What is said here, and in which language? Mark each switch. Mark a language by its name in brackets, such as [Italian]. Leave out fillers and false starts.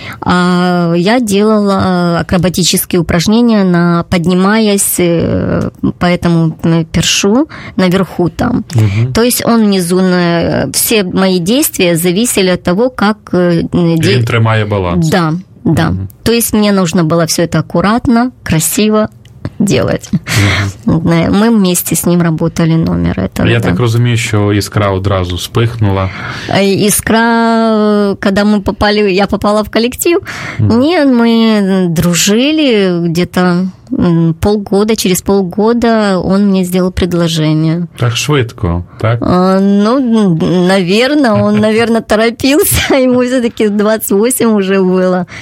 [Russian] А я делала акробатические упражнения, на поднимаясь по этому першу наверху там. Угу. То есть он внизу, все мои действия зависели от того, как... [Ukrainian] Він тримає баланс. [Russian] Да, да. Угу. То есть мне нужно было все это аккуратно, красиво делать. Угу. Мы вместе с ним работали номер этого. [Ukrainian] Я так розумію, що іскра одразу вспыхнула. [Russian] Іскра, когда мы попали, я попала в коллектив, нет, мы дружили где-то полгода, через полгода он мне сделал предложение. [Ukrainian] Так швидко, так? [Russian] Ну, наверное, он, наверное, торопился, ему все-таки 28 уже было.